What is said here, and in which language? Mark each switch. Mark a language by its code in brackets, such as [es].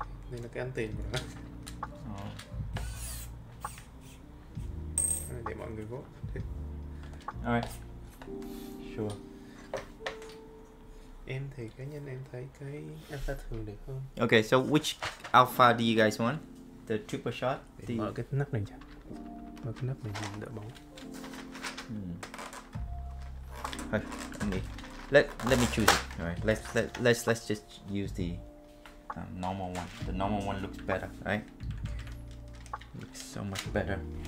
[vi] Đây là cái ăn tiền của nó. Cái này để mọi người vote. [en] Alright. Sure. [vi] Em thì cá nhân em thấy cái alpha thường được hơn. [en] Ok, so which alpha do you guys want? The triple shot? [vi] Để mở cái nắp này chứ. Mở cái nắp này nhìn đỡ bóng. [en] Okay. Let me choose it. Alright, let's just use the normal one. The normal one looks better, right? Looks so much better.